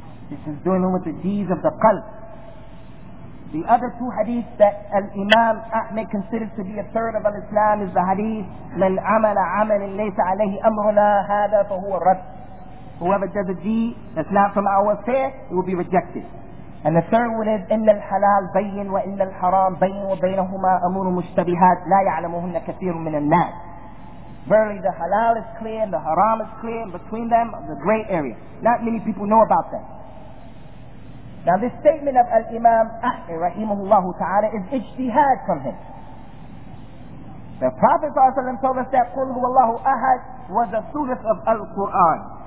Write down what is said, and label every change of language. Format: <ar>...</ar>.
<en>This is dealing with the deeds of the qalb. The other two hadiths that Al-Imam Ahmed considers to be a third of Al-Islam is the hadith</en> <ar>من عمل عمل ليس عليه أمرنا هذا فهو رد.</ar> <en>Whoever does a deed that's not from our affair, it will be rejected. And the third one is</en> <ar>إِنَّ الْحَلَالِ بَيِّنْ وَإِنَّ الْحَرَامِ بَيِّنْ وَبَيْنَهُمَا أَمُورُ مُشْتَبِهَاتِ لَا يَعْلَمُهُنَّ كَثِيرٌ مِّنَ النَّاسِ.</ar> <en>Verily the halal is clear and the haram is clear, and between them is a gray area. Not many people know about that. Now this statement of Al-Imam Ahmed rahimahullahu ta'ala is ijtihad from him. The Prophet ﷺ told us that</en> <ar>قُلْ هُوَ اللَّهُ أَحَدْ</ar> <en>was a surah of Al-Qur'an.</en>